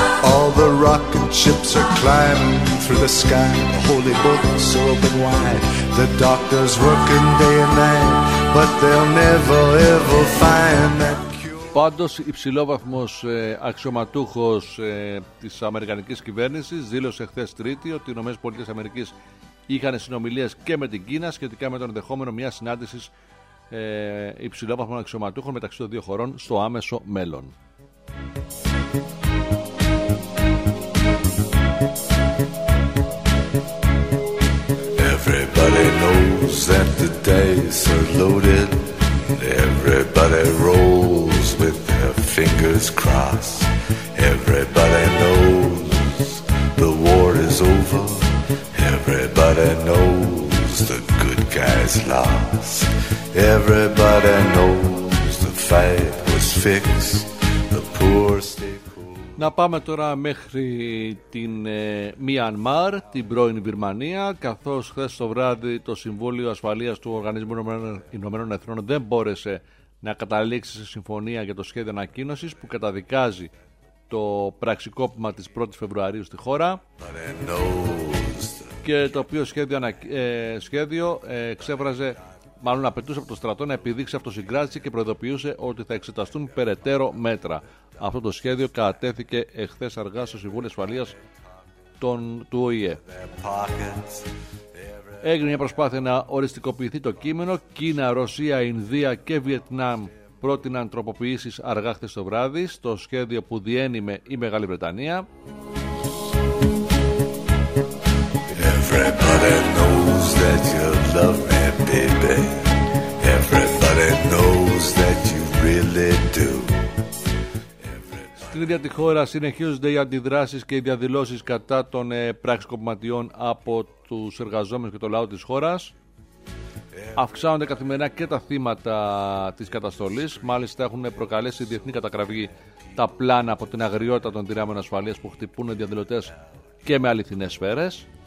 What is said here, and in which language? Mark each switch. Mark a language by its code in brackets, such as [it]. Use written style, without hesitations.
[en] All the rocket ships are climbing through the sky. The holy books open wide. The doctors working day and night, but they'll never ever find that cure. [el] Πάντως, υψηλόβαθμος αξιωματούχος της Αμερικανικής κυβέρνησης δήλωσε χθες Τρίτη ότι οι Ηνωμένες Πολιτείες Αμερικής είχαν συνομιλίες και με την Κίνα σχετικά με τον ενδεχόμενο μια συνάντηση υψηλόβαθμων αξιωματούχων μεταξύ των δύο χωρών στο άμεσο μέλλον. [en] Everybody knows that the dice are loaded. Everybody rolls with their fingers crossed. Everybody knows the war is over. Everybody knows the good guy's lost. Everybody knows the fight was fixed. The poor stay cool. [el] Να πάμε τώρα μέχρι την Μιανμάρ, την πρώην Βιρμανία, καθώς χθες το βράδυ το Συμβούλιο Ασφαλείας του Οργανισμού Ηνωμένων Εθνών δεν μπόρεσε να καταλήξει σε συμφωνία για το σχέδιο ανακοίνωσης που καταδικάζει το πραξικόπημα της 1ης Φεβρουαρίου στη χώρα. Και το οποίο σχέδιο ξέφραζε, μάλλον απαιτούσε από το στρατό να επιδείξει αυτοσυγκράτηση και προειδοποιούσε ότι θα εξεταστούν περαιτέρω μέτρα. Αυτό το σχέδιο κατατέθηκε εχθές αργά στο Συμβούλιο Ασφαλείας του ΟΗΕ. Έγινε μια προσπάθεια να οριστικοποιηθεί το κείμενο. Κίνα, Ρωσία, Ινδία και Βιετνάμ πρότειναν τροποποιήσεις αργά χθες το βράδυ στο σχέδιο που διένυμε η Μεγάλη Βρετανία. [en] Everybody knows that you love me, baby. Everybody knows that you really do. [el] Στην ίδια τη χώρα συνεχίζονται οι αντιδράσεις και οι διαδηλώσεις κατά των πραξικοπηματιών από τους εργαζόμενους και το λαό της χώρας. Αυξάνονται καθημερινά και τα θύματα της καταστολής. Μάλιστα έχουν προκαλέσει διεθνή καταγραφή τα πλάνα από την αγριότητα των δυνάμεων ασφαλείας που χτυπούν διαδηλωτές και με αληθινές σφαίρες.